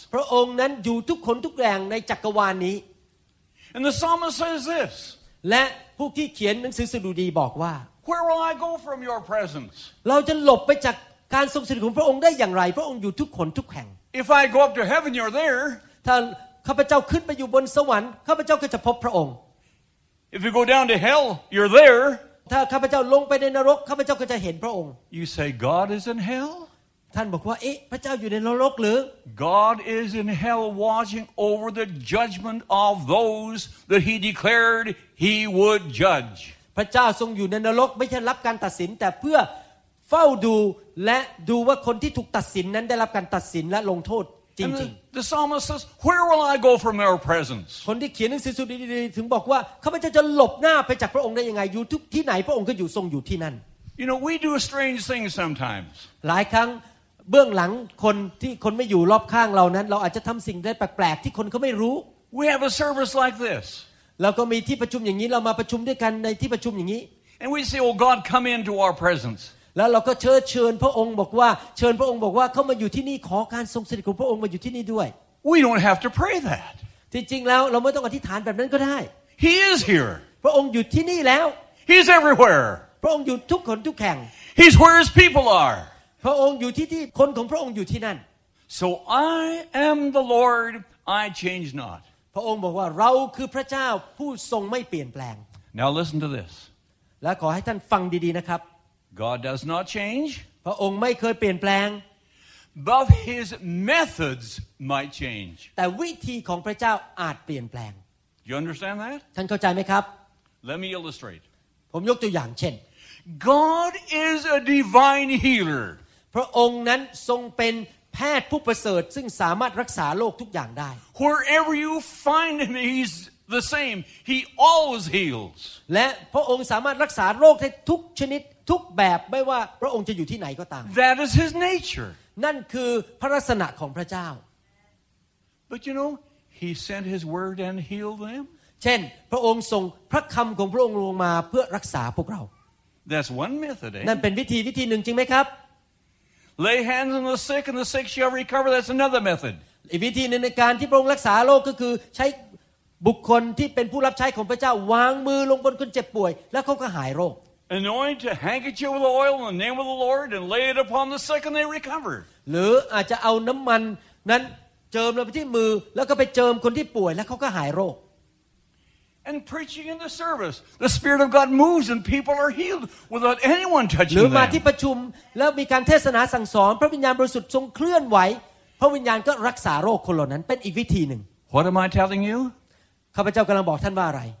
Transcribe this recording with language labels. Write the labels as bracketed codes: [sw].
[th] พระองค์นั้นอยู่ทุกคนทุกแห่งในจักรวาลนี้ [en] And the psalmist says this. [th] และผู้ที่เขียนหนังสือสดุดีบอกว่า [en] Where will I go from your presence? [th] เราจะหลบไปจากการทรงสถิตของพระองค์ได้อย่างไรพระองค์อยู่ทุกคนทุกแห่ง [en] If I go up to heaven, you're there. [th] ถ้าข้าพเจ้าขึ้นไปอยู่บนสวรรค์ข้าพเจ้าก็จะพบพระองค์ [en] If you go down to hell you're there [th] ถ้าข้าพเจ้าลงไปในนรกข้าพเจ้าก็จะเห็นพระองค์ [en] You say God is in hell [th] ท่านบอกว่าเอ๊ะพระเจ้าอยู่ในนรกหรือ [en] God is in hell watching over the judgment of those that he declared he would judge [th] พระเจ้าทรงอยู่ในนรกไม่ใช่รับการตัดสินแต่เพื่อเฝ้าดูและดูว่าคนที่ถูกตัดสินนั้นได้รับการตัดสินและลงโทษ [en] And the psalmist says, "Where will I go from your presence?" [th] คนที่เขียนหนังสือสดุดีถึงบอกว่าข้าพเจ้าจะหลบหน้าไปจากพระองค์ได้ยังไงอยู่ทุกที่ไหนพระองค์ก็อยู่ทรงอยู่ที่นั่น [en] You know, we do strange things sometimes. [th] หลายครั้งเบื้องหลังคนที่คนไม่อยู่รอบข้างเรานั้นเราอาจจะทำสิ่งได้แปลกๆที่คนเขาไม่รู้ [en] We have a service like this. [th] เราก็มีที่ประชุมอย่างนี้เรามาประชุมด้วยกันในที่ประชุมอย่างนี้ [en] And we say, "Oh God, come into our presence." [th] แล้วเราก็เชิญพระองค์บอกว่าเชิญพระองค์บอกว่าเข้ามาอยู่ที่นี่ขอการทรงสถิตของพระองค์มาอยู่ที่นี่ด้วย [en] We don't have to pray that [th] ที่จริงแล้วเราไม่ต้องอธิษฐานแบบนั้นก็ได้ [en] He is here [th] พระองค์อยู่ที่นี่แล้ว [en] He's everywhere [th] พระองค์อยู่ทุกคนทุกแห่ง [en] He's where his people are [th] พระองค์อยู่ที่ที่คนของพระองค์อยู่ที่นั่น [en] So I am the Lord I change not [th] พระองค์บอกว่าเราคือพระเจ้าผู้ทรงไม่เปลี่ยนแปลง [en] Now listen to this [th] และขอให้ท่านฟังดีๆนะครับ [en] God does not change. [th] พระองค์ไม่เคยเปลี่ยนแปลง [en] But his methods might change. [th] แต่วิธีของพระเจ้าอาจเปลี่ยนแปลง [en] Do you understand that? [th] ท่านเข้าใจไหมครับ [en] Let me illustrate. [th] ผมยกตัวอย่างเช่น [en] God is a divine healer. [th] พระองค์นั้นทรงเป็นแพทย์ผู้ประเสริฐซึ่งสามารถรักษาโรคทุกอย่างได้ [en] Wherever you find him, he'sThe same, he always heals. [th] และพระองค์สามารถรักษาโรคได้ทุกชนิดทุกแบบไม่ว่าพระองค์จะอยู่ที่ไหนก็ตาม [en] That is his nature. [th] นั่นคือพระลักษณะของพระเจ้า [en] But you know, he sent his word and healed them. [th] เช่นพระองค์ส่งพระคำของพระองค์ลงมาเพื่อรักษาพวกเรา [en] That's one method. [th] นั่นเป็นวิธีหนึ่งจริงไหมครับ [en] Lay hands on the sick and the sick shall recover. That's another method. [th] อีกวิธีนึงในการที่พระองค์รักษาโรคก็คือใช้บุคคลที่เป็นผู้รับใช้ของพระเจ้าวางมือลงบนคนเจ็บป่วยแล้วเขาก็หายโรค [en] Anoint a handkerchief with oil in the name of the Lord and lay it upon the sick and they recover [th] หรืออาจจะเอาน้ำมันนั้นเจิมลงไปที่มือแล้วก็ไปเจิมคนที่ป่วยแล้วเขาก็หายโรค [en] And preaching in the service the spirit of God moves and people are healed without anyone touching them [th] หรือมาที่ประชุมแล้วมีการเทศนาสั่งสอนพระวิญญาณบริสุทธิ์ทรงเคลื่อนไหวพระวิญญาณก็รักษาโรคคนเหล่านั้นเป็นอีกวิธีนึง [en] What am I telling you [th] ข้าพเจ้ากำลังบอกท่านว่าอะไร